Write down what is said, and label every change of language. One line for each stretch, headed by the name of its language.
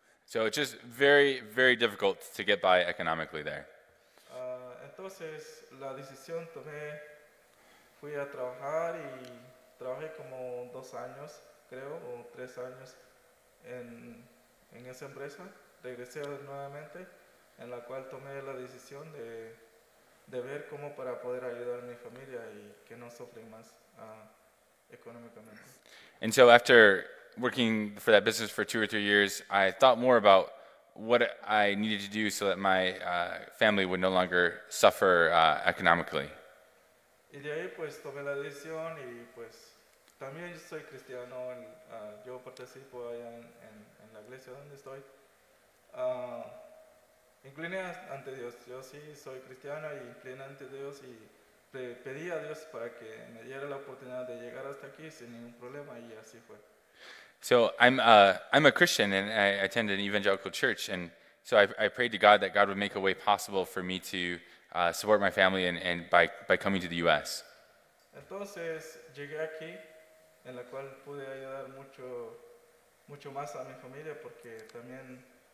English: So it's just very, very difficult to get by economically there.
Spanish: Entonces la decisión tomé, fui a trabajar y trabajé como 2 años, creo, o 3 años en esa empresa. Regresé nuevamente, en la cual tomé la decisión de ver cómo para poder ayudar a mi familia y que no sufren más económicamente.
English: And so after working for that business for 2 or 3 years, I thought more about what I needed to do so that my family would no longer suffer economically.
Spanish: Y de ahí pues tomé la decisión y pues también yo soy cristiano, yo participo allá en la iglesia donde estoy. Incliné ante Dios. Yo sí soy cristiano y incliné ante Dios y pedí a Dios para que me diera la oportunidad de llegar hasta aquí sin ningún problema y así fue.
English: So I'm a Christian and I attend an evangelical church, and so I prayed to God that God would make a way possible for me to support my family and by coming to the U.S.
Spanish: Entonces llegué aquí, en la cual pude ayudar mucho mucho más a mi familia porque también